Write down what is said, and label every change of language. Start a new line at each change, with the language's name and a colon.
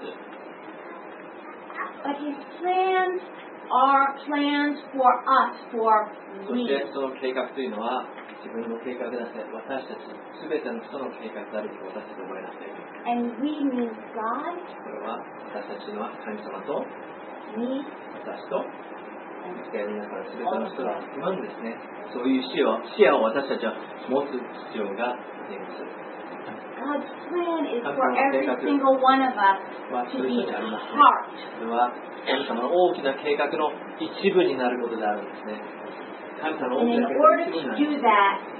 English: But His plans are plans for us, for me.
Japanese: そしてその計画というのは自分の計画ではなくて私たち全ての人の計画であると私たちは思いなさい。
English: And we mean God.
Japanese: これは私たちの神様と
English: me,
Japanese: 私と皆さん全ての人は今のですね、そういう視野を私たちは持つ必要があります。
English: God's plan is for every single one of us to be a part.
Japanese: それは神様の大きな計画の一部になることであるんですね。神様の大きな計画の一部になるんです。